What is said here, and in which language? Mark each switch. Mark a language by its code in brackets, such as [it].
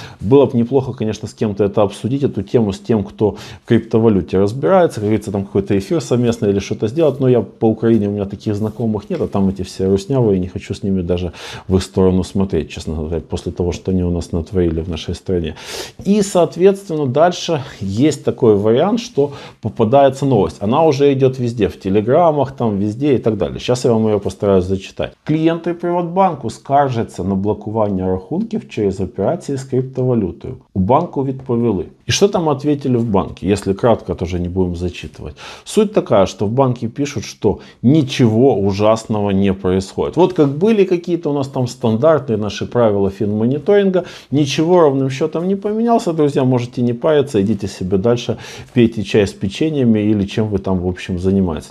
[ru] Было бы неплохо, конечно, с кем-то это обсудить, эту тему, с тем, кто в криптовалюте разбирается, как говорится, там какой-то эфир совместный или что-то сделать, но я по Украине, у меня таких знакомых нет, а там эти все руснявые, не хочу с ними даже в их сторону смотреть, честно говоря, после того, что они у нас натворили в нашей стране. И, соответственно, дальше есть такой вариант, что попадается новость. Она уже идет везде, в телеграмах, там везде и так далее. Сейчас я вам ее постараюсь зачитать. [uk] Клиенты Приватбанку скаржиться на блокування рахунків через операції з криптовалютою. У банку відповіли, [ru] И что там ответили в банке? Если кратко, тоже не будем зачитывать. Суть такая, что в банке пишут, что ничего ужасного не происходит. Вот как были какие-то у нас там стандартные наши правила финмониторинга, ничего ровным счетом не поменялся, друзья, можете не париться, идите себе дальше, пейте чай с печеньями или чем вы там в общем занимаетесь.